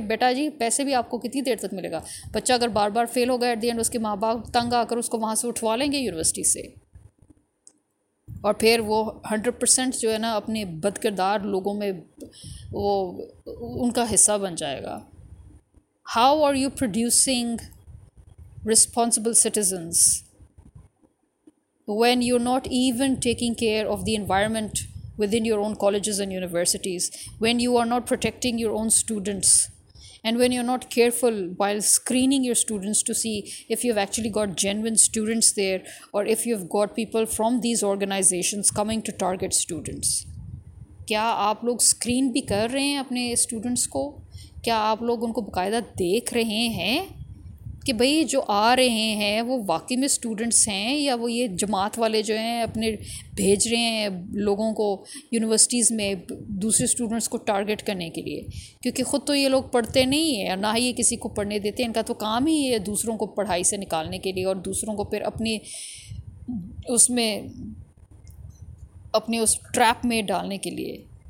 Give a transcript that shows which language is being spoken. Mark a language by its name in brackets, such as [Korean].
[Urdu] بھائی بیٹا جی, پیسے بھی آپ کو کتنی دیر تک ملے گا؟ بچہ اگر بار بار فیل ہو گیا, [English] at the end [Urdu] اس کے ماں باپ تنگ آ کر اس کو وہاں سے اٹھوا لیں گے یونیورسٹی سے, اور پھر وہ 100% جو ہے نا اپنے بد کردار لوگوں میں وہ ان کا حصہ بن جائے گا. [English] How are you producing responsible citizens when you're not even taking care of the environment within your own colleges and universities, when you are not protecting your own students, and when you're not careful while screening your students to see if you've actually got genuine students there or if you've got people from these organizations coming to target students. [Urdu] Kya aap log screen bhi kar rahe hain apne students ko? Kya aap log unko baqaida dekh rahe hain کہ بھئی جو آ رہے ہیں وہ واقعی میں students ہیں, یا وہ یہ جماعت والے جو ہیں اپنے بھیج رہے ہیں لوگوں کو یونیورسٹیز میں دوسرے اسٹوڈنٹس کو ٹارگٹ کرنے کے لیے؟ کیونکہ خود تو یہ لوگ پڑھتے نہیں ہیں, نہ ہی یہ کسی کو پڑھنے دیتے ہیں. ان کا تو کام ہی ہے دوسروں کو پڑھائی سے نکالنے کے لیے, اور دوسروں کو پھر اپنی اس میں, اپنے اس ٹریپ میں ڈالنے کے لیے.